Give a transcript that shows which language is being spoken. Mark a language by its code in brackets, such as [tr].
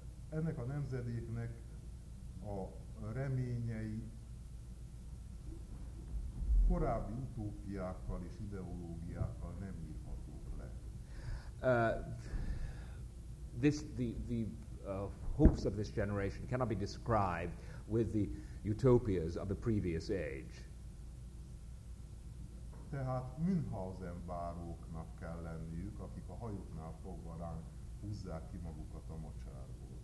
[hu] Ennek a nemzedéknek a reményei korábbi utópiákkal és ideológiákkal nem írhatók le. [en] the hopes of this generation cannot be described with the utopias of the previous age. [hu] Tehát Münchhausen váróknak kell lenniük, akik a hajuknál fogva ránk húzzák ki magukat a mocsárból.